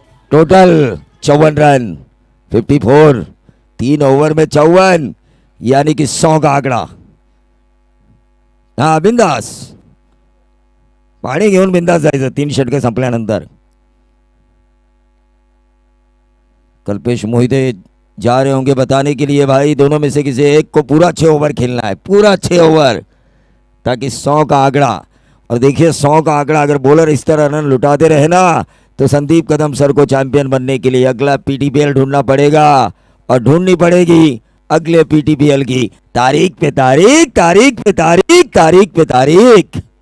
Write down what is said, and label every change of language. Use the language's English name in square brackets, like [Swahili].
[Hindi] Total 54 run, 54, तीन over में 54, यानी कि 100 का आंकड़ा। [Marathi] हाँ बिंदास पानी घेऊन बिंदास जायचं तीन षटके संपल्यानंतर। [Hindi] कल्पेश मोहिते जा रहे होंगे बताने के लिए, भाई दोनों में से किसी एक को पूरा 6 ओवर खेलना है, पूरा 6 ओवर, ताकि 100 का आंकड़ा। और देखिए 100 का आंकड़ा अगर बॉलर इस तरह रन लुटाते रहे ना, तो संदीप कदम सर को चैंपियन बनने के लिए अगला पीटीपीएल ढूंढना पड़ेगा और ढूंढनी पड़ेगी अगले पीटीपीएल की तारीख पे तारीख, तारीख पे तारीख, तारीख पे तारीख।